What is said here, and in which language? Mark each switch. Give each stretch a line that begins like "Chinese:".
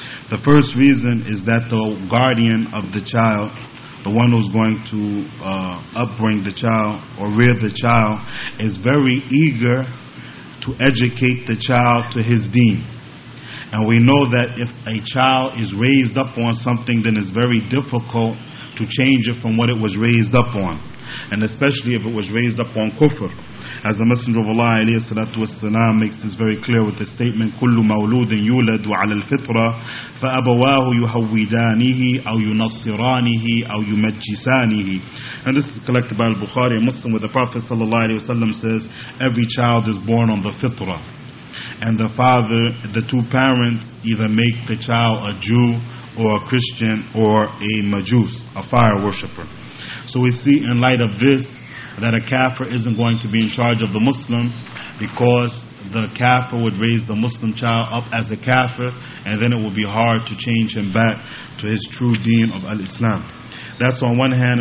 English: The first reason is that the guardian of the child, the one who's going to upbring the child or rear the child, is very eager to educate the child to his deen. And we know that if a child is raised up on something, then it's very difficult to change it from what it was raised up on. And especially if it was raised up on kufr. As the Messenger of Allah
Arabic: عليه الصلاة والسلام
English: makes this very clear with the statement,
Arabic: كل مولود يولد على الفطرة فأبواه يهودانه أو ينصرانه أو يمجسانه.
English: And this is collected by Al-Bukhari, a Muslim, where the Prophet
Arabic: صلى الله عليه وسلم
English: says, every child is born on the fitrah. And the father, the two parents, either make the child a Jew or a Christian or a Majus, a fire worshipper. So we see in light of this that a kafir isn't going to be in charge of the Muslim, because the kafir would raise the Muslim child up as a kafir, and then it would be hard to change him back to his true deen of al-Islam. That's on one hand.